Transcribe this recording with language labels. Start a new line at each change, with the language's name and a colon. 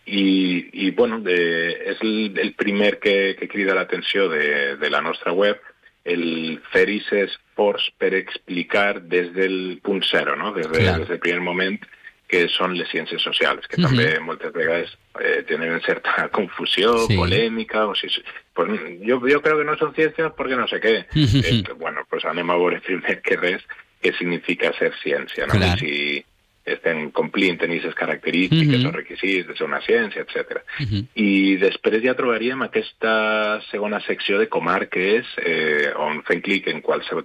Catalan: I bueno, és el primer que crida l'atenció de la nostra web, el fer aquest esforç per explicar des del punt zero, no? Des del primer moment, que són les ciències socials, que també moltes vegades tenen certa confusió, polèmica, o si...
Spanish: Pues, yo creo que no son ciencias porque no sé qué.
Catalan: Bueno, pues anem a veure primer que res què significa ser ciència, no? Claro. Si estem complint, tenir les característiques o requisits de ser una ciència, etc. I després ja trobaríem aquesta segona secció de comarques, on fem clic en qualsevol...